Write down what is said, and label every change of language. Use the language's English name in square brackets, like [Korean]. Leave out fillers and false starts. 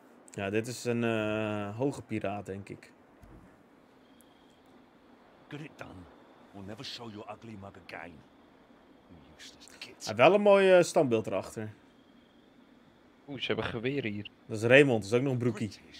[Dutch] Ja, dit is een hoge piraat, denk ik. [English] Get it done. We'll never show your ugly mug again. [Dutch] Hij heeft wel een mooi standbeeld erachter. Oeh, ze hebben geweren hier. Dat is Raymond, dat is ook nog een broekie.